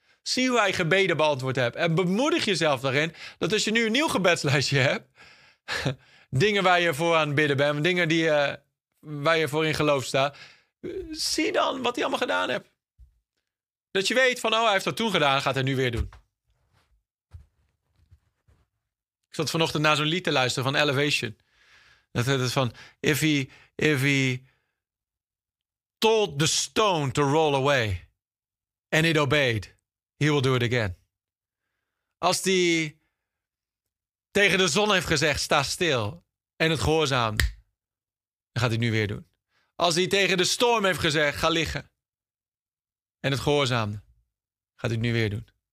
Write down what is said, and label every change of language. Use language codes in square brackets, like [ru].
[nl] Zie hoe hij gebeden beantwoord hebt. En bemoedig jezelf daarin dat als je nu een nieuw gebedslijstje hebt, dingen waar je voor aan het bidden bent, dingen die, waar je voor in geloof staat, zie dan wat hij allemaal gedaan heeft. Dat je weet van, oh, hij heeft dat toen gedaan, gaat hij nu weer doen. Ik zat vanochtend naar zo'n lied te luisteren van Elevation. Dat is van, [en] if he told the stone to roll away and it obeyed, he will do it again. [nl] Als die tegen de zon heeft gezegd, sta stil en het gehoorzaam, dan gaat hij nu weer doen. Als hij tegen de storm heeft gezegd, ga liggen. En het gehoorzaamde, gaat hij nu weer doen.